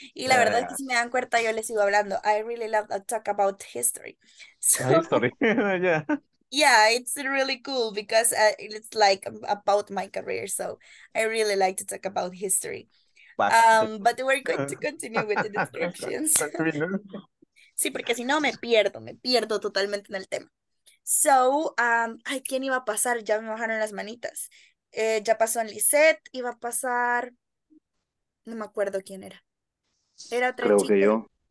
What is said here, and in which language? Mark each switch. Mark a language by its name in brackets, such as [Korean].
[Spanish] Y la verdad es que si me dan cuenta, yo les sigo hablando. [English] I really love to talk about history. So, history. Yeah. Yeah, it's really cool because it's like about my career. So I really like to talk about history. But we're going to continue with the descriptions. [Spanish] Sí, porque si no, me pierdo totalmente en el tema. So, ay, ¿quién iba a pasar? Ya me bajaron las manitas. Ya pasó en Lisette, iba a pasar, no me acuerdo quién era. Era otra Creo chica. Que yo.